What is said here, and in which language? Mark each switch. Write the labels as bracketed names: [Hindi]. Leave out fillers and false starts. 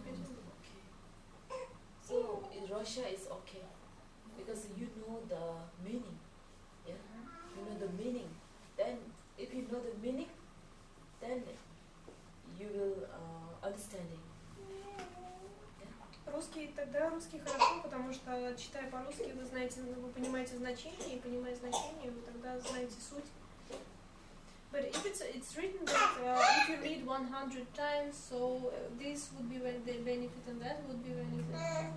[English] Okay. So, in Russia it's okay. Because you know the meaning. Yeah? You know the meaning. Then, if you know the meaning, then you will understand it. [Russian] Русский, тогда русский хорошо, потому что, читая по-русски, вы знаете, вы понимаете значение, и понимая значение, вы тогда знаете суть. [English] But if it's written that if you read 100 times, so this would be the benefit and that would be the benefit.